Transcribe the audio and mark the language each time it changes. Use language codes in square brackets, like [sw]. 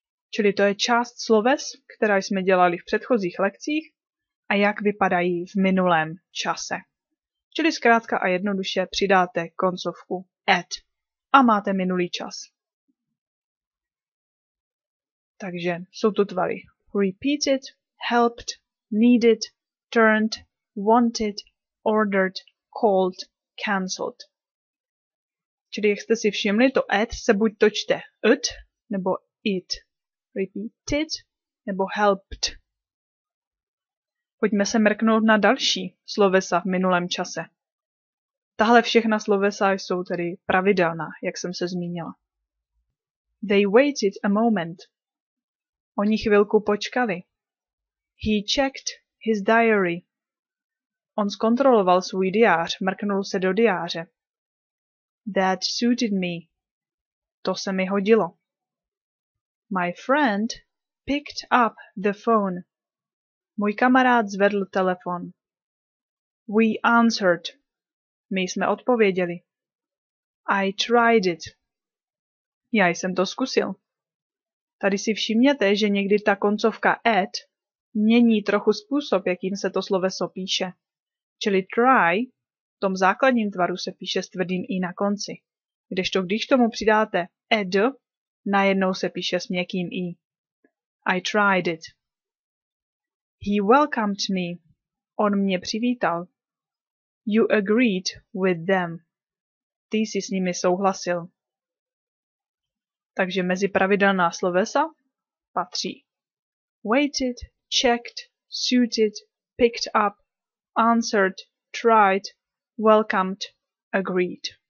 [cs] Čili to je část sloves, která jsme dělali v předchozích lekcích a jak vypadají v minulém čase. Čili zkrátka a jednoduše přidáte koncovku at a máte minulý čas. Takže jsou to tvary. [en] Repeated, helped, needed, turned, wanted, ordered, called, cancelled. [cs] Čili jak jste si všimli, to at se buď to čte ut nebo it. [en] Repeated [cs] nebo [en] helped. [cs] Pojďme se mrknout na další slovesa v minulém čase. Tahle všechna slovesa jsou tedy pravidelná, jak jsem se zmínila. [en] They waited a moment. [cs] Oni chvilku počkali. [en] He checked his diary. [cs] On zkontroloval svůj diář, mrknul se do diáře. [en] That suited me. [cs] To se mi hodilo. [en] My friend picked up the phone. [cs] Můj kamarád zvedl telefon. [en] We answered. [cs] My jsme odpověděli. [en] I tried it. [cs] Já jsem to zkusil. Tady si všimněte, že někdy ta koncovka at mění trochu způsob, jakým se to sloveso píše. Čili try v tom základním tvaru se píše s tvrdým i na konci. Kdežto když tomu přidáte ed, najednou se píše s měkkým i. [en] I tried it. He welcomed me. [cs] On mě přivítal. [en] You agreed with them. [cs] Ty jsi s nimi souhlasil. Takže mezi pravidelná slovesa patří. [en] Waited, checked, suited, picked up, answered, tried, welcomed, agreed.